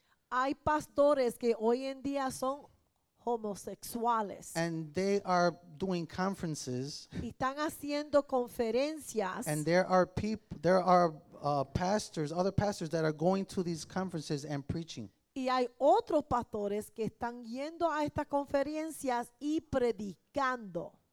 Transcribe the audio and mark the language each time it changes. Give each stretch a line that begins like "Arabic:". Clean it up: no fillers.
Spanish: Hay pastores que hoy en día son homosexuales.
English: And they are doing conferences.
Spanish: Y están haciendo conferencias.
English: And there are other pastors that are going to these conferences and preaching.
Spanish: Y hay otros pastores que están yendo a estas conferencias y predicando.